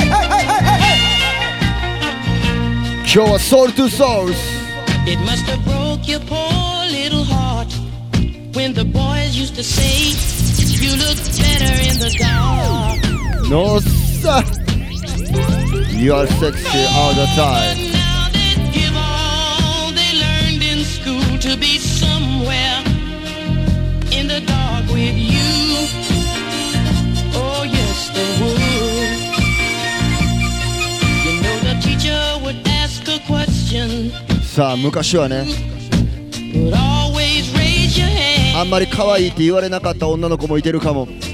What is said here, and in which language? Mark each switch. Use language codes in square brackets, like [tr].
[ja] 今日はソウルトゥソウルス。 [en] It must have broke your poor little heartWhen the boys used to say you look better in the dark. No, sir. You are sexy all the time. But now they give all they learned in school to be somewhere in the dark with you. Oh yes, they would. You know the teacher would ask a question. [ja] さあ、昔はね。 [en] But always raise your hand. [ja] あんまり可愛いって言われなかった女の子もいてるかも。